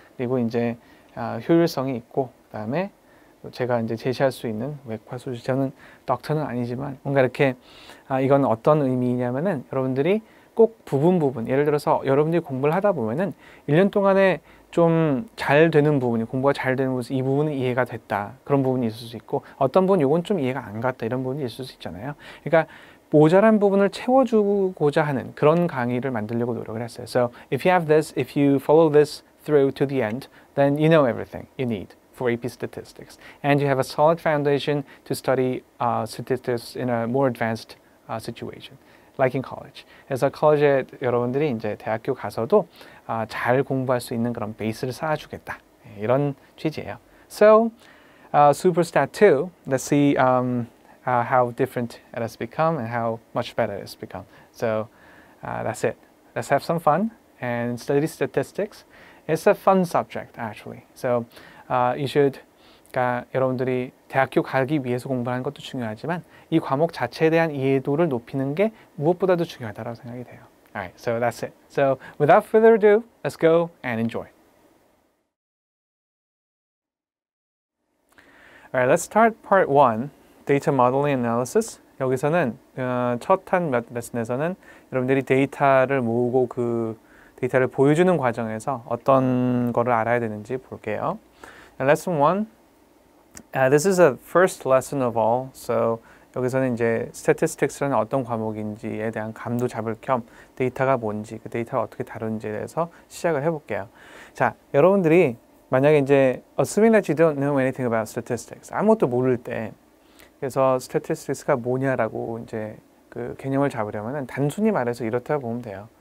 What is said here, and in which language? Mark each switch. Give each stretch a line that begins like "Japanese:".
Korean: 그리고 이제 효율성이 있고 그 다음에 제가 이제 제시할 수 있는 외과 수술, 저는 닥터는 아니지만 뭔가 이렇게 이건 어떤 의미이냐면은 여러분들이 꼭 부분 예를 들어서 여러분들이 공부를 하다 보면은 1년 동안에 좀 잘 되는 부분이 공부가 잘 되는 부분이 이 부분은 이해가 됐다 그런 부분이 있을 수 있고 어떤 부분 이건 좀 이해가 안 갔다 이런 부분이 있을 수 있잖아요. 그러니까 모자란 부분을 채워주고자 하는 그런 강의를 만들려고 노력을 했어요.
English: So if you have this, if you follow this through to the end, then you know everything you need for AP statistics, and you have a solid foundation to study statistics in a more advanced situation, like in college.
Korean: 그래서 college에 여러분들이 이제 대학교 가서도 잘 공부할 수 있는 그런 베이스를 쌓아주겠다 이런 취지예요.
English: So, SuperStat 2, let's see how different it has become and how much better it has become. So, that's it. Let's have some fun and study statistics. It's a fun subject, actually. So, you should,
Korean: 그러니까 여러분들이 대학교 가기 위해서 공부하는 것도 중요하지만 이 과목 자체에 대한 이해도를 높이는 게 무엇보다도 중요하다고 생각이 돼요.
English: Alright, so that's it. So without further ado, let's go and enjoy. Alright, let's start part 1, data modeling analysis.
Korean: 여기서는 첫 한 몇 레슨에서는 여러분들이 데이터를 모으고 그 데이터를 보여주는 과정에서 어떤 거를 알아야 되는지 볼게요.
English: Lesson 1, this is the first lesson of all.
Korean: So, 여기서는 이제 statistics라는 어떤 과목인지에 대한 감도 잡을 겸 데이터가 뭔지, 그 데이터를 어떻게 다루는지에 대해서 시작을 해볼게요. 자, 여러분들이 만약에 이제
English: assuming that you don't know anything about statistics,
Korean: 아무것도 모를 때, 그래서 statistics가 뭐냐라고 이제 그 개념을 잡으려면 단순히 말해서 이렇다 보면 돼요.